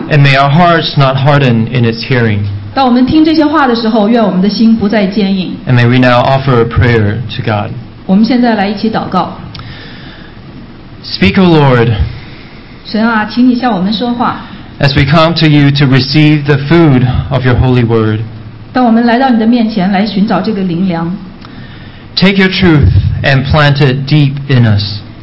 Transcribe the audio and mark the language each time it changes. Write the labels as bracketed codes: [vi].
[en] And may our hearts not harden in its hearing. [zh] 当我们听这些话的时候，愿我们的心不再坚硬。 [en] And may we now offer a prayer to God. [zh] 我们现在来一起祷告。 [en] Speak, O Lord. [zh] 神啊，请你向我们说话。 [en] As we come to you to receive the food of your holy word. [zh] 当我们来到你的面前来寻找这个灵粮。 [en] Take your truth and plant it deep in us.